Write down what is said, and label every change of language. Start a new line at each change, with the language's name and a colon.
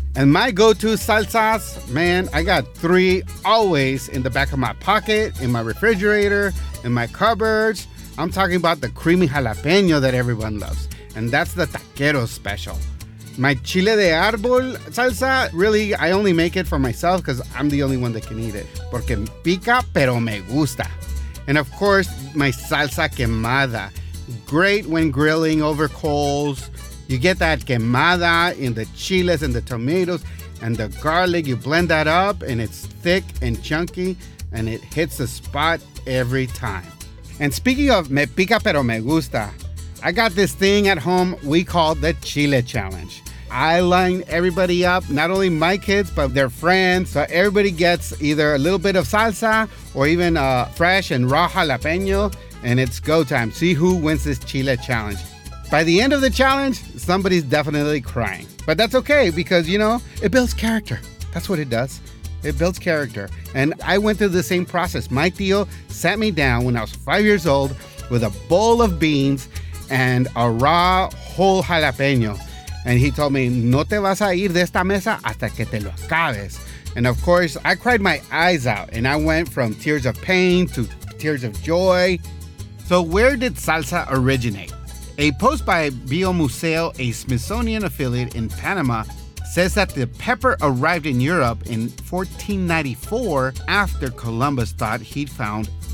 English: And my go-to salsas, man, I got three always in the back of my pocket, in my refrigerator, in my cupboards. I'm talking about the creamy jalapeño that everyone loves, and that's the taquero special. My chile de árbol salsa, really, I only make it for myself because I'm the only one that can eat it.
Spanish: Porque pica, pero me gusta.
English: And of course, my salsa quemada. Great when grilling over coals. You get that quemada in the chiles and the tomatoes and the garlic. You blend that up and it's thick and chunky and it hits the spot every time. And speaking of
Spanish: me pica pero me gusta,
English: I got this thing at home we call the chile challenge. I line everybody up, not only my kids, but their friends. So everybody gets either a little bit of salsa or even a fresh and raw jalapeño, and it's go time. See who wins this chile challenge. By the end of the challenge, somebody's definitely crying. But that's okay because, you know, it builds character. That's what it does. It builds character. And I went through the same process. My tío sat me down when I was 5 years old with a bowl of beans and a raw whole jalapeño. And he told me,
Spanish: no te vas a ir de esta mesa hasta que te lo acabes.
English: And of course, I cried my eyes out and I went from tears of pain to tears of joy. So where did salsa originate? A post by Biomuseo, a Smithsonian affiliate in Panama, says that the pepper arrived in Europe in 1494 after Columbus thought he'd found